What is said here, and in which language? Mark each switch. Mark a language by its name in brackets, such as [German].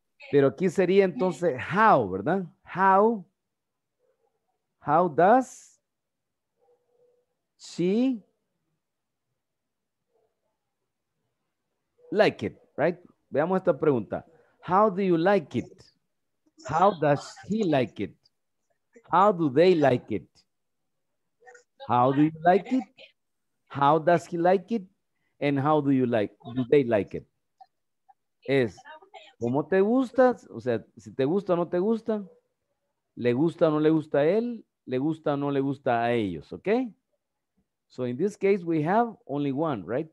[Spanish] Pero aquí sería entonces how, ¿verdad? [English] How does she like it, right? [Spanish] Veamos esta pregunta. [English] How do you like it? How does he like it? How do they like it? How do you like it? How does he like it? And how do you like, do they like it? [Spanish] Es, ¿cómo te gusta? O sea, si te gusta o no te gusta. ¿Le gusta o no le gusta a él? ¿Le gusta o no le gusta a ellos? ¿Okay? [English] So in this case, we have only one, right?